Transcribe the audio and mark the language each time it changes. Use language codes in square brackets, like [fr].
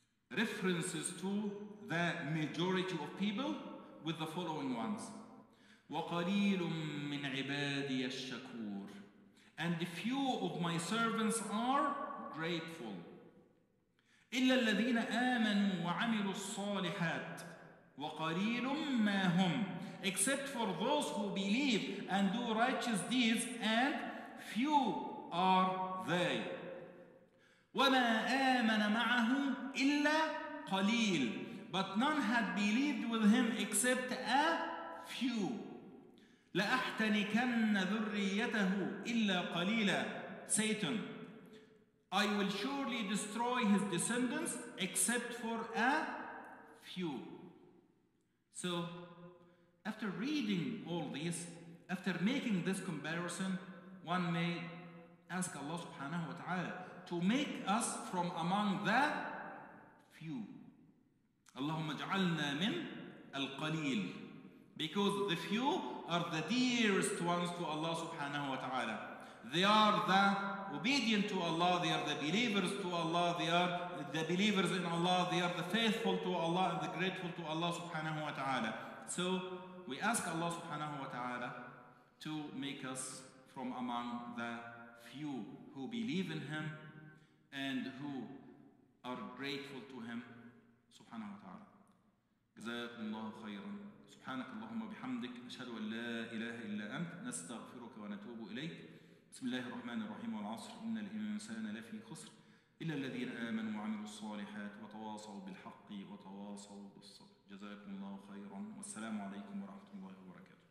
[en] Compare all these references to the majority of people with the following ones. [ar] وقليل من عبادي الشكور. [en] And few of my servants are grateful. [ar] إلا الذين آمنوا وعملوا الصالحات وقليل ما هم. [en] Except for those who believe and do righteous deeds, and few are they. [ar] وما آمن معه إلا قليل. [en] But none had believed with him except a few. [ar] لأحتنكن ذريته إلا قليلا. [en] Satan, I will surely destroy his descendants except for a few. So, after reading all this, after making this comparison, one may ask Allah subhanahu wa ta'ala to make us from among the few. [ar] Allahumma ja'alna min al-qaleel. [en] Because the few are the dearest ones to Allah subhanahu wa ta'ala. They are the obedient to Allah, they are the believers to Allah, they are the believers in Allah, they are the faithful to Allah and the grateful to Allah subhanahu wa ta'ala. So we ask Allah subhanahu wa ta'ala to make us from among the few who believe in Him and who are grateful to Him subhanahu wa ta'ala. [ar] جزاكم الله خيرا. سبحانك اللهم وبحمدك, أشهد أن لا إله إلا أنت, نستغفرك ونتوب إليك. بسم الله الرحمن الرحيم, والعصر, إن الإنسان لفي خسر, إلا الذين آمنوا وعملوا الصالحات وتواصوا بالحق وتواصوا بالصبر. جزاكم الله خيرا, والسلام عليكم ورحمة الله وبركاته.